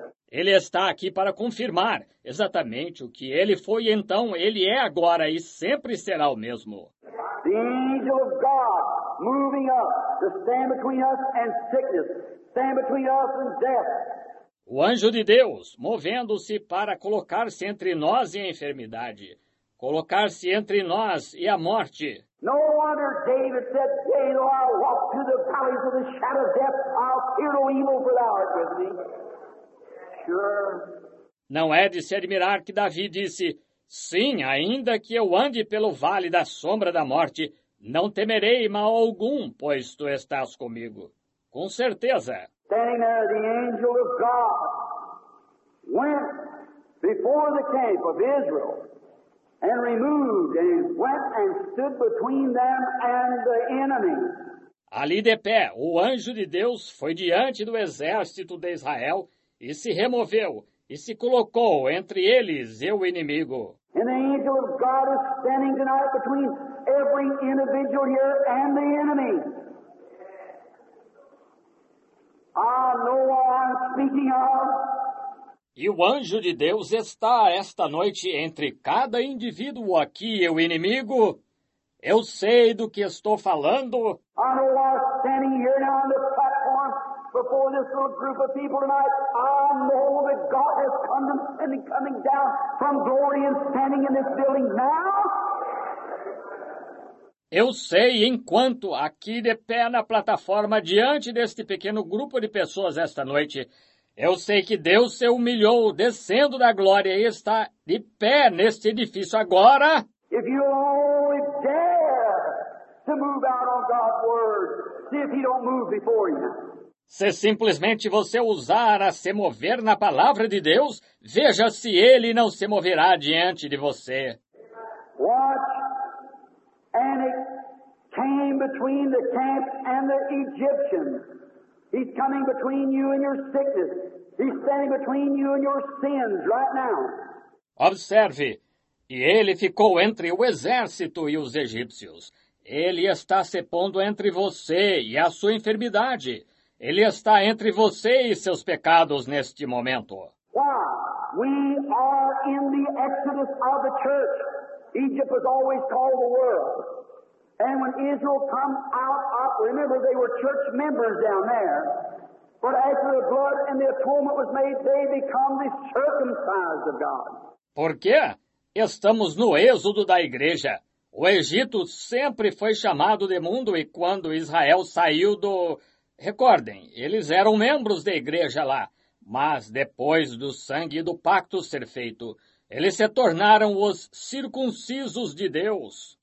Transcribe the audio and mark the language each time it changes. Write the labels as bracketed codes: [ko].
[pt] Ele está aqui para confirmar exatamente o que ele foi então, ele é agora e sempre será o mesmo. [en] The angel of God moving up to stand between us and sickness, stand between us and death. [pt] O anjo de Deus movendo-se para colocar-se entre nós e a enfermidade, colocar-se entre nós e a morte. [en] No wonder David said, "Yea, though I walk through the valleys of the shadow of death, I'll fear no evil, for thou art with me." Sure. [pt] Não é de se admirar que Davi disse: sim, ainda que eu ande pelo vale da sombra da morte, não temerei mal algum, pois tu estás comigo. Com certeza. [en] Standing there, the angel of God went before the camp of Israel and removed and went and stood between them and the enemy. [pt] Ali de pé, o anjo de Deus foi diante do exército de Israel e se removeu e se colocou entre eles e o inimigo. [en] And the angel of God is standing tonight between every individual here and the enemy. I know what I'm speaking of. [pt] E o anjo de Deus está esta noite entre cada indivíduo aqui e o inimigo. Eu sei do que estou falando. [en] I know why I'm standing here now on this platform before this little group of people tonight. I know that God is condescending, coming down from glory and standing in this building now. [pt] Eu sei, enquanto aqui de pé na plataforma diante deste pequeno grupo de pessoas esta noite, eu sei que Deus se humilhou descendo da glória e está de pé neste edifício agora. [en] If you only dare to move out on God's word, see if he don't move before you. [pt] Se simplesmente você usar a se mover na palavra de Deus, veja se ele não se moverá diante de você. [en] Watch. And it came between the camp and the Egyptians. He's coming between you and your sickness. He's standing between you and your sins right now. [pt] Observe. E ele ficou entre o exército e os egípcios. Ele está se pondo entre você e a sua enfermidade. Ele está entre você e seus pecados neste momento. [en] Why? We are in the exodus of the church. Egypt was always called the world. And when Israel come out, remember they were church members down there. But after the blood and the atonement was made, they become the circumcised of God. [pt] Por quê? Estamos no êxodo da igreja. O Egito sempre foi chamado de mundo e quando Israel saiu do... Recordem, eles eram membros da igreja lá. Mas depois do sangue e do pacto ser feito, eles se tornaram os circuncisos de Deus.